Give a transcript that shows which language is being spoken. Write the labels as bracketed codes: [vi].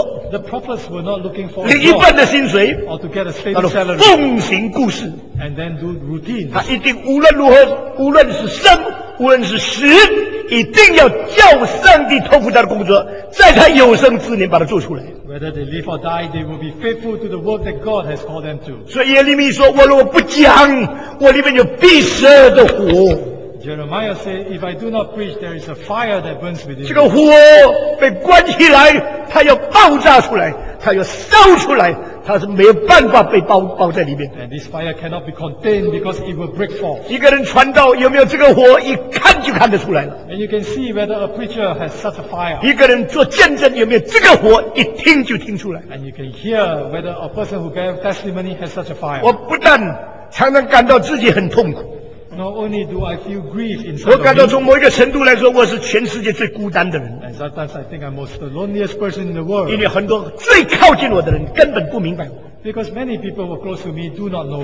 [en] the prophets were not looking for [zh] 领一半的薪水, [en] or to get a stable salary, [zh] 奉行故事, [en] and then do routine. [zh] 他一定无论如何, 无论是生, 无论是死, 一定要叫上帝托付他的工作, 在他有生之年把它做出来。 [en] Whether they live or die, they will be faithful to the work that God has called them to. [zh] 所以耶利米说, 我如果不讲, 我里面有必死的火。 [en] Jeremiah said, if I do not preach, there is a fire that burns within me. [zh] 这个火被关起来, 它要爆炸出来, 它要烧出来, 它是没有办法被包在里面。 [en] And this fire cannot be contained because it will break forth. [zh] 一个人传道有没有这个火, 一看就看得出来了。 [en] And you can see whether a preacher has such a fire. [zh] 一个人做见证有没有这个火, 一听就听出来。 [en] And you can hear whether a person who bears testimony has such a fire. [zh] 我不但常常感到自己很痛苦, [en] not only do I feel grief inside of me, [zh] 我感到从某一个程度来说, 我是全世界最孤单的人。 [en] And sometimes I think I'm most the loneliest person in the world. [zh] 因为很多最靠近我的人, 根本不明白我。 [en] Because many people who are close to me do not know me.